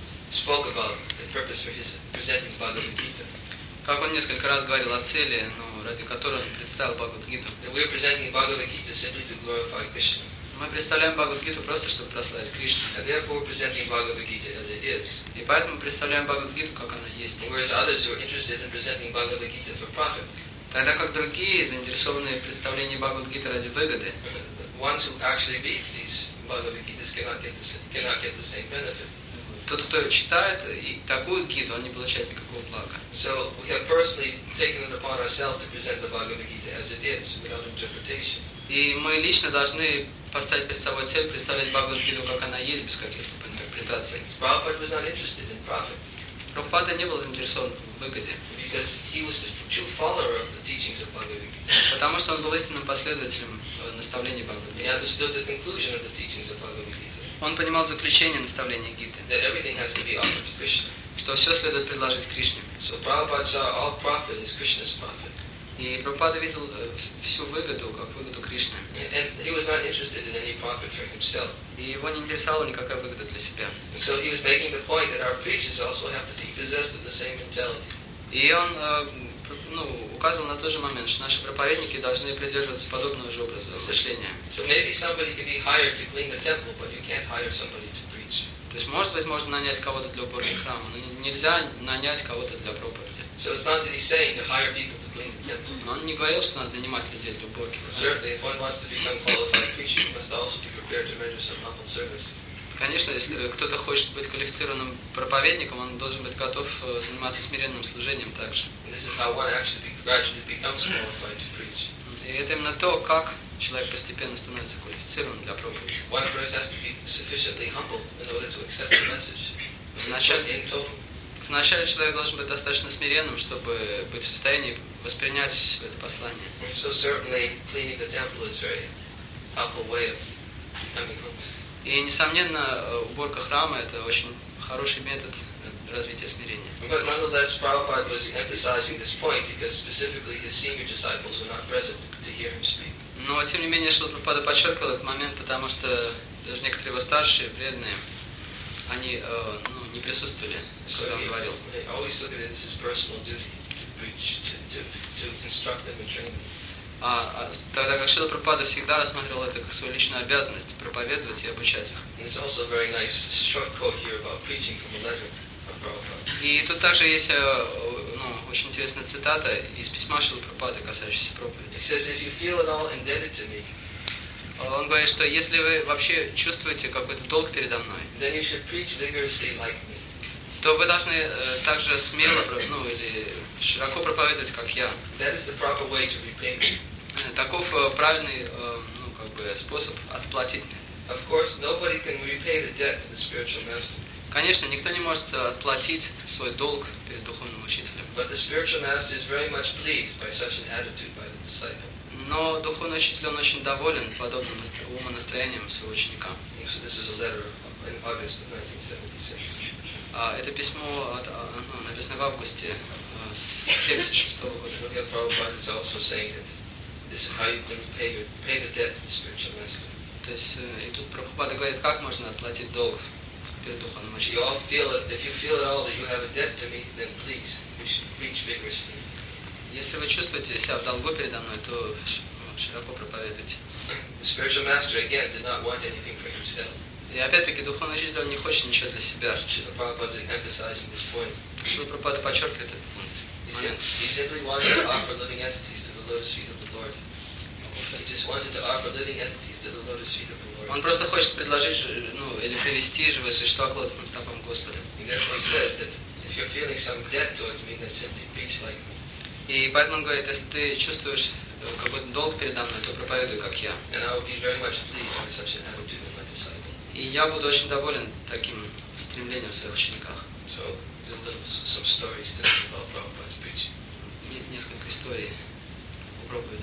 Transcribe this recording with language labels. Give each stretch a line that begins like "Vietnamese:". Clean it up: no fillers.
English: Spoke about the purpose for his presenting Bhagavad Gita.
Russian: Как он несколько раз говорил о цели, ради которой он представил Бхагавад Гиту.
English: We are presenting Bhagavad Gita simply to glorify Krishna.
Russian: Мы представляем Бхагавад Гиту просто, чтобы прославить Кришну.
English: And therefore we're presenting Bhagavad Gita as it is.
Russian: И поэтому мы представляем Бхагавад Гиту, как она есть.
English: Whereas others who are interested in presenting Bhagavad Gita for profit.
Russian: Тогда как другие заинтересованы в представлении Бхагавад Гиты ради выгоды.
English: Ones who actually reads these Bhagavad Gitas cannot get the same benefit.
Russian: Тот, кто читает и такую гиту, он не получает никакого блага.
English: So we have personally taken it upon ourselves to present the Bhagavad Gita as it is, without interpretation.
Russian: И мы лично должны поставить перед собой цель представить Бхагавад Гиту, как она есть, без каких-либо интерпретаций.
English: Prabhupada was not interested in profit.
Russian: Прабхупада не был заинтересован в выгоде.
English: Because he was the true follower of the teachings of Bhagavad Gita.
Russian: Потому что он был истинным последователем наставления Бхагавад Гиты.
English: He understood the conclusion of the teachings of Bhagavad Gita.
Russian: Он понимал заключение наставления Гиты.
English: That everything has to be offered to Krishna.
Russian: Что все следует предложить Кришне.
English: So Prabhupada saw all profit is Krishna's profit.
Russian: И Прабхупада видел всю выгоду, как выгоду Кришны.
English: And he was not interested in any profit for himself.
Russian: И его не интересовала никакая выгода для себя.
English: So he was making the point that our preachers also have to be possessed of the same mentality.
Russian: И он указывал на тот же момент, что наши проповедники должны придерживаться подобного же образа мышления.
English: So maybe somebody could be hired to clean the temple, but you can't hire somebody to preach.
Russian: То есть, может быть, можно нанять кого-то для уборки храма, но нельзя нанять кого-то для проповеди.
English: So it's not that he's saying to hire people to clean the temple.
Russian: Но он не говорил, что надо нанимать людей для уборки.
English: Certainly, if one wants to become qualified preacher, he must also be prepared to render some humble service.
Russian: Конечно, если кто-то хочет быть квалифицированным проповедником, он должен быть готов заниматься смиренным служением также.
English: This is how one actually gradually becomes qualified to preach.
Russian: И это именно то, как человек постепенно становится квалифицированным для проповеди.
English: One first has to be sufficiently humble in order to accept the message.
Russian: Вначале человек должен быть достаточно смиренным, чтобы быть в состоянии воспринять это послание.
English: So certainly cleaning the temple is a very humble way of becoming humble.
Russian: И, несомненно, уборка храма — это очень хороший метод развития смирения.
English: But nonetheless, Prabhupada was emphasizing this point because specifically his senior disciples were not present to hear him speak.
Russian: Но, тем не менее, Шрила Прабхупада подчеркивал этот момент, потому что даже некоторые его старшие, преданные, они не присутствовали, когда он говорил.
English: They always took it as his personal duty to preach, to instruct them and train them.
Russian: Тогда как Шрила Прабхупада всегда рассматривал это как свою личную обязанность проповедовать и обучать их.
English: There's also a very nice short quote here about preaching from a letter of Prabhupada.
Russian: И тут также есть очень интересная цитата из письма Шрила Прабхупады, касающаяся проповеди.
English: He says, if you feel at all indebted to me,
Russian: он говорит, что если вы вообще чувствуете какой-то долг передо мной,
English: then you should preach vigorously like me.
Russian: То вы должны также смело или широко проповедовать, как я.
English: That is the proper way to repay me.
Russian: Таков правильный способ отплатить мне.
English: Of course, nobody can repay the debt to the spiritual master.
Russian: Конечно, никто не может отплатить свой долг перед духовным учителем.
English: But the spiritual master is very much pleased by such an attitude by the disciple.
Russian: Но духовный учитель, он очень доволен подобным умонастроением своего ученика.
English: So this is a letter in August of 1976.
Russian: Это письмо написано в августе 1976 года.
English: So here Prabhupada is also saying that this is how you can pay the debt to the spiritual master.
Russian: То есть, и тут Прабхупада говорит, как можно отплатить долг перед духовным учителем.
English: You all feel it, if you feel at all that you have a debt to me, then please, you should preach vigorously.
Russian: Если вы чувствуете себя в долгу передо мной, то широко проповедуйте.
English: The spiritual master, again, did not want anything for himself.
Russian: И опять-таки, духовный учитель, он не хочет ничего для себя.
English: Шрила Прабхупада emphasizing this point.
Russian: Шрила Прабхупада подчеркивает этот пункт.
English: He simply wanted to offer living entities to the lotus feet of the Lord. He just wanted to offer living entities to the lotus feet of the Lord.
Russian: Он просто хочет предложить, или привести живое существо к лотосным стопам Господа.
English: He therefore says that if you're feeling some debt towards me, then simply preach like me.
Russian: И поэтому он говорит, если ты чувствуешь какой-то долг передо мной, то проповедуй, как я.
English: And I would be very much pleased with such an attitude in my disciple.
Russian: И я буду очень доволен таким стремлением в своих учениках.
English: So, there's a little, some stories today about Prabhupada's preaching.
Russian: Несколько историй о проповеди